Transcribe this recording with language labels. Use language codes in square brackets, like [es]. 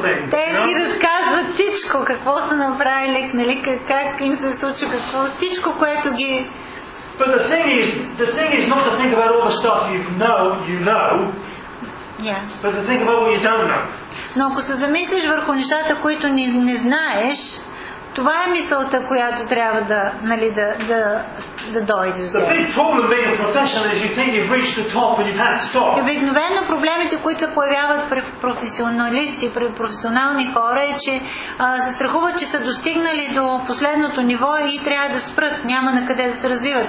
[bg] Те ги разказват всичко, какво са направили, нали, как им се случи, какво, всичко, което ги... [en] But the thing is not to think about all the stuff you know. Yeah. But to think about what you don't know. [bg] Но ако се замислиш върху нещата, които не знаеш, това е мисълта, която трябва да, нали, да дойде. [en] The big problem being a professional is you think you've reached the top and you've had to stop. [bg] И обикновено проблемите, които се появяват при професионалисти, при професионални хора, е, че се страхуват, че са достигнали до последното ниво и трябва да спрат. Няма на къде да се развиват